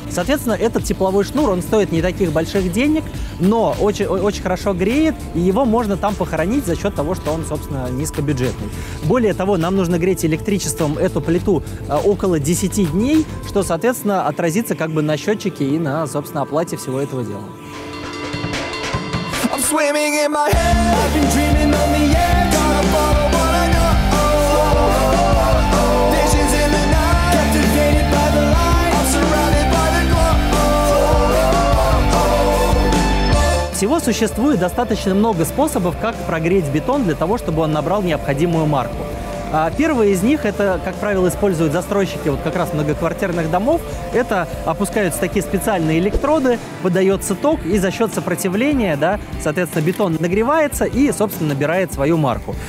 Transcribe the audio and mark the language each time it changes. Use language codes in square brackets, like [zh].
[ru] Соответственно, этот тепловой шнур, он стоит не таких больших денег, но очень, очень хорошо греет, и его можно там похоронить за счет того, что он, собственно, низкобюджетный. Более того, нам нужно греть электричеством эту плиту около 10 дней, что, соответственно, отразится как бы на счетчике и на, собственно, оплате всего этого дела. [en] Swimming in my head, I've been dreaming on the air. Gotta follow what I know. Visions in the night, captivated by the light. I'm surrounded by the glow. [ru] Всего существует достаточно много способов, как прогреть бетон для того, чтобы он набрал необходимую марку. Первый из них, это, как правило, используют застройщики вот как раз многоквартирных домов, это опускаются такие специальные электроды, подается ток, и за счет сопротивления, да, соответственно, бетон нагревается и, собственно, набирает свою марку.